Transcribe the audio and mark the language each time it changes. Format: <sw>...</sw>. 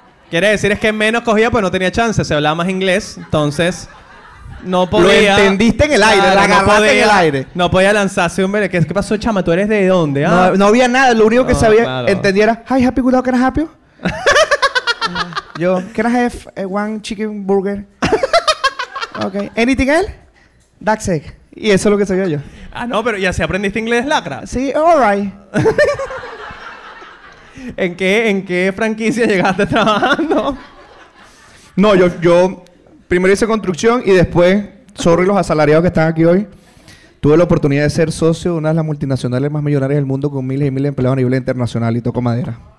<es>Quiere decir, es que menos cogía, pues no tenía chance. Se hablaba más inglés, entonces no podía... Lo entendiste en el aire, claro, la agarraste en el aire. No podía lanzarse un... ¿Qué pasó, chama? ¿Tú eres de dónde? Ah. No había nada. Lo único que sabía, claro, entendía era, hi, happy, cuidado,</es> <en>¿can I help you? Yo, can I have one chicken burger? Okay. Anything else? That's it.</en> <es>Y eso es lo que sabía yo. Ah, no, pero ¿ya se aprendiste inglés, lacra?</es> <en>Sí, all right.</en> <es>¿En qué franquicia llegaste trabajando? No, yo primero hice construcción y después, sorry los asalariados que están aquí hoy, tuve la oportunidad de ser socio de una de las multinacionales más millonarias del mundo con miles y miles de empleados a nivel internacional y toco madera.</es>